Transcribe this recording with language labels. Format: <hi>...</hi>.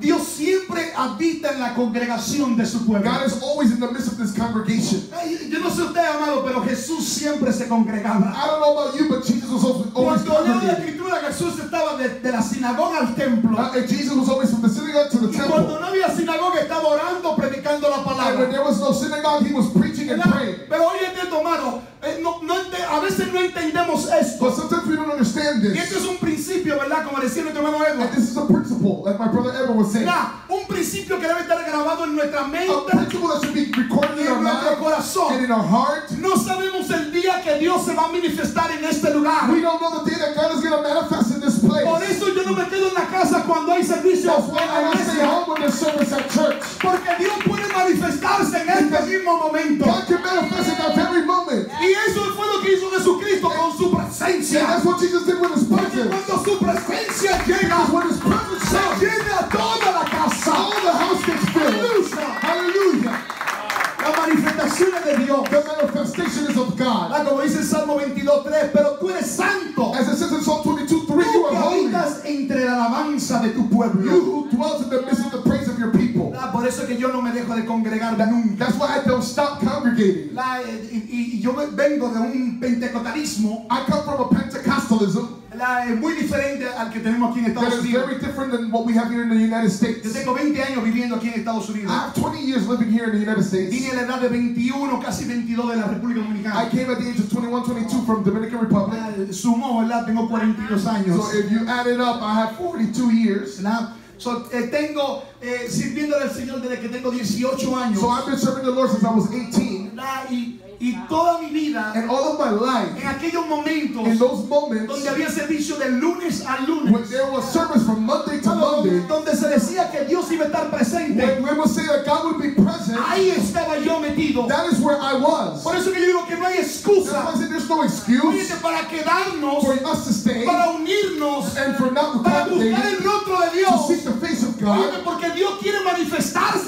<es>Dios siempre habita en la congregación de su pueblo.</es> <en>God is always in the midst of this congregation.</en> <es>Yo no sé usted, amado, pero Jesús siempre se congregaba.</es> <en>I don't know about you, but Jesus was always congregated.</en> <es>Cuando leo la escritura, Jesús estaba de la sinagoga al templo.</es> <en>Jesus was always from the synagogue to the temple.</en> <es>Cuando no había sinagoga, estaba orando, predicando la palabra.</es> <en>And when there was no synagogue, he was preaching and praying.</en> <es>Pero oye esto, amado. A veces no entendemos esto.</es> <en>But sometimes we don't understand this.</en> <es>Y esto es un principio, ¿verdad? Como decía nuestro hermano Edward.</es> <en>And this is a principle, like my brother Edward was saying.</en> <es>Un principio que debe estar grabado en nuestra mente.</es> <en>A principle that should be recorded in our mind.</en> <es>En nuestro corazón.</es> <en>And in our heart.</en> <es>No sabemos el día que Dios se va a manifestar en este lugar.</es> <en>We don't know the day that God is going to manifest in this place.</en> <es>Por eso yo no me quedo en la casa cuando hay servicio.</es> <en>That's why I don't stay home when there's service at church.</en> <es>Porque Dios puede manifestarse en este mismo momento.</es> <en>God can manifest at that very moment.</en> <es>Y eso fue lo que hizo Jesucristo con su presencia.</es> <en>And that's what Jesus did with his presence.</en> <es>Cuando su presencia llega,</es> <en>when his presence comes,</en> <es>llena toda la casa.</es> <en>All the house gets filled.</en> <es>Aleluya.</es> <en>Aleluya.</en> <es>La manifestación es de Dios.</es> <en>The manifestation is of God.</en> <es>Como dice el Salmo 22:3, pero tú eres santo.</es> <en>As it says in Psalm 22:3, you are holy.</en> <es>Tú habitas entre la alabanza de tu pueblo.</es> <en>You who dwells in the midst of the praise of your people.</en> <es>Por eso que yo no me dejo de congregar nunca.</es> <en>That's why I don't stop congregating.</en> <es>Y yo vengo de un pentecostalismo.</es> <en>I come from a Pentecostalism.</en> <es>Muy diferente al que tenemos aquí en Estados Unidos.</es> <en>That is very different than what we have here in the United States.</en> <es>Yo tengo 20 años viviendo aquí en Estados Unidos.</es> <en>I have 20 years living here in the United States.</en> <es>Vine a la edad de 21, casi 22 de la República Dominicana.</es> <en>I came at the age of 21, 22 from Dominican Republic.</en> <es>Sumo, ¿verdad? Tengo 42 años.</es> <en>So if you add it up, I have 42 years.</en> <es>So tengo sirviendo al Señor desde que tengo 18 años.</es> <en>So I've been serving the Lord since I was 18.</en> <es>Y toda mi vida,</es> <en>and all of my life,</en> <es>en aquellos momentos,</es> <en>in those moments,</en> <es>donde había servicio de lunes a lunes,</es> <en>when there was service from Monday to Monday,</en> <es>donde se decía que Dios iba a estar presente,</es> <en>when we would say that God would be present,</en> <es>ahí estaba yo metido.</es> <en>That is where I was.</en> <es>Por eso que yo digo que no hay excusa.</es> <en>That's why there's no excuse.</en> <es>Oye, para quedarnos,</es> <en>for us to stay,</en> <es>para unirnos,</es> <en>and for not</en> <es>para buscar el rostro de Dios,</es> <en>to seek the face of God.</en> <es>Oye, porque Dios quiere manifestarse.</es>